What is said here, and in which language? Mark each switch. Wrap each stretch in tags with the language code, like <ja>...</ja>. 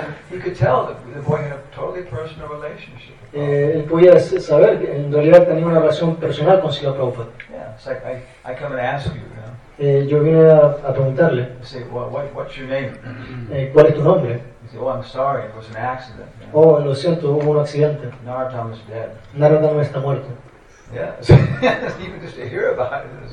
<en>He could tell that the boy had a totally personal relationship.</en> <es>Él podía saber que en realidad tenía una relación personal con Srila Prabhupada.</es> <en>Yeah, it's like I come and ask you.</en> <es>Yo vine a preguntarle.</es> <en>Say, well, what's your name?</en> <es>¿Cuál es tu nombre?</es> <en>Say, oh, I'm sorry, it was an accident.</en> <es>Oh, lo siento, hubo un accidente.</es> <en>Narottam is dead.</en> <es>Narottam está muerto.</es> <en>Yeah. Even just to hear about it.</en>